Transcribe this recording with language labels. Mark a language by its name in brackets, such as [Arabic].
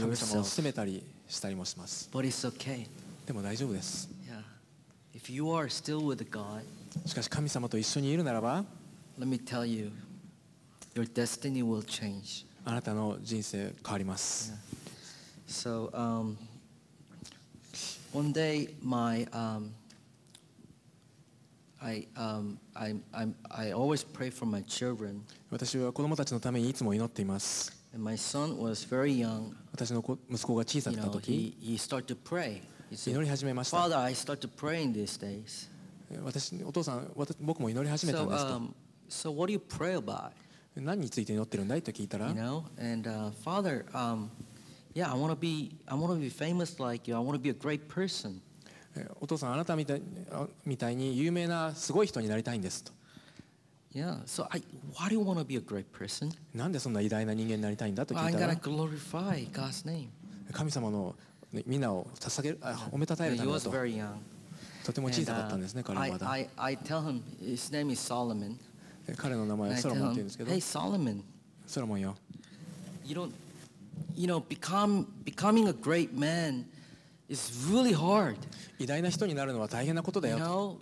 [Japanese] 神様を責めたりしたりもします。 [English] But it's okay. [Japanese] でも大丈夫です。 [English] Yeah. If you are still with God, [Japanese] しかし神様と一緒にいるならば、 [English] Let me tell you, your destiny will change. [Japanese] あなたの人生変わります。 [English] Yeah. So, One day, I always pray for my children. [Japanese] 私は子供たちのためにいつも祈っています。 [English] And my son was very young. [Japanese] 私の息子が小さくなった時 [English] he started to pray. He said, [Japanese] 祈り始めました。 [English] Father, I started to pray in these days. [Japanese] 私お父さん僕も祈り始めたんですと。 [English] So what do you pray about? [Japanese] 何について祈ってるんだいと聞いたら、 [English] You know, and Father, yeah, I want to be famous like you. I want to be a great person. [Japanese] お父さんあなたみたいに有名なすごい人になりたいんですと。 [English] Yeah. So, why do you want to be a great person? [Japanese] なんでそんな偉大な人間になりたいんだと聞いたら、 [English] I'm gonna glorify God's name. [Japanese] 神様の皆を捧げる、褒めたたえるためだと。 [English] He was very young. [Japanese] とても小さかったんですね、彼はまだ。 [English] I tell him his name is Solomon. [Japanese] 彼の名前はソロモンって言うんですけど。 [English] Hey, Solomon. [Japanese] ソロモンよ。 [English] You know, becoming a great man is really hard. [Japanese] 偉大な人になるのは大変なことだよ。